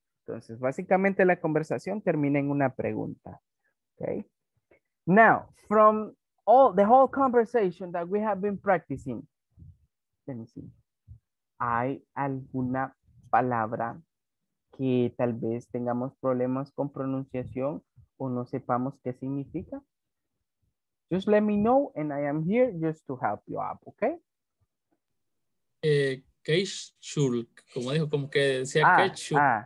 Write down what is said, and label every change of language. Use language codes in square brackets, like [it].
[es] Entonces, básicamente la conversación termina en una pregunta. [en] Okay. Now, from all the whole conversation that we have been practicing, let me see. [es] ¿Hay alguna palabra que tal vez tengamos problemas con pronunciación o no sepamos qué significa? [en] Just let me know and I am here just to help you up, ¿ok? [es] Ketchup, como dijo, como que decía ketchup.